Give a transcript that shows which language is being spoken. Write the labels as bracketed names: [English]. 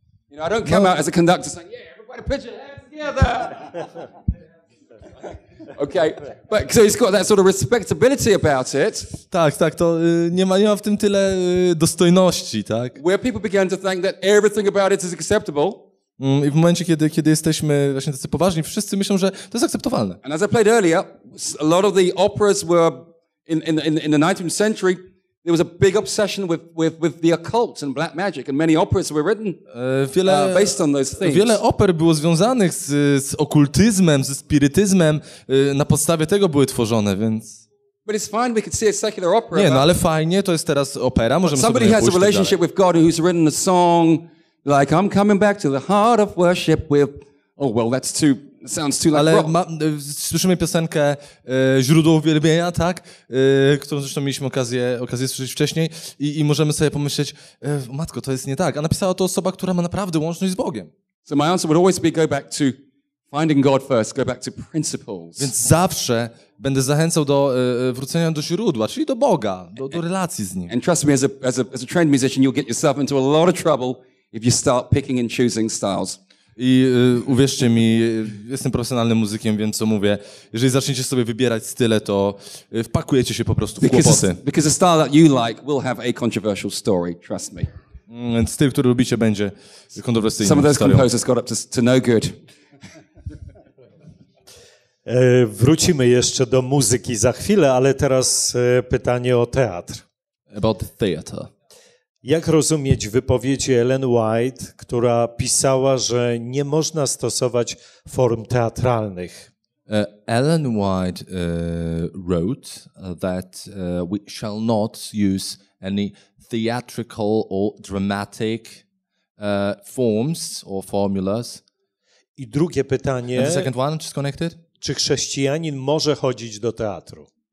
[English] You know, I don't come out as a conductor saying, yeah, everybody put your hands together. Okay, but so it's got that sort of respectability about it. [Polish] Tak, tak, to nie ma w tym tyle dostojności, tak? [English] Where people began to think that everything about it is acceptable. [Polish] I w momencie, kiedy jesteśmy właśnie tacy poważni, wszyscy myślą, że to jest akceptowalne. [English] And as I played earlier, a lot of the operas were in the 19th century, there was a big obsession with the occult and black magic, and many operas were written based on those things. [Polish] Wiele oper było związanych z okultyzmem, ze spirytyzmem, na podstawie tego były tworzone, więc. [English] But it's fine, we could see a secular opera. [Polish] Nie, no ale fajnie, to jest teraz opera, możemy sobie pójść. [English] Somebody has a relationship with God who's written a song like I'm coming back to the heart of worship with oh well that's too sounds too like [Polish] ale słyszymy piosenkę źródło uwielbienia, tak, którą zresztą mieliśmy okazję słyszeć wcześniej i możemy sobie pomyśleć, matko, to jest nie tak, a napisała to osoba, która ma naprawdę łączność z Bogiem. [English] So my answer would always be go back to finding God first, go back to principles. [Polish] Więc zawsze będę zachęcał do wrócenia do źródła, czyli do Boga, do relacji z Nim. [English] And trust me, as a trained musician, you'll get yourself into a lot of trouble if you start picking and choosing styles. [Polish] I uwierzcie mi, jestem profesjonalnym muzykiem, wiem co mówię. Jeżeli zaczniecie sobie wybierać style, to wpakujecie się po prostu w kłopoty. [English] Because the style that you like will have a controversial story, trust me. [Polish] Więc styl, który lubicie, będzie kontrowersyjny. [English] Some of those composers got up to no good. [Polish] Wrócimy jeszcze do muzyki za chwilę, ale teraz pytanie o teatr. [English] About the theater. [Polish] Jak rozumieć wypowiedzi Ellen White, która pisała, że nie można stosować form teatralnych? [English] Ellen White wrote that we shall not use any theatrical or dramatic forms or formulas. [Polish] I drugie pytanie. [English] And the second one, just connected? [Polish] Czy chrześcijanin może chodzić do teatru?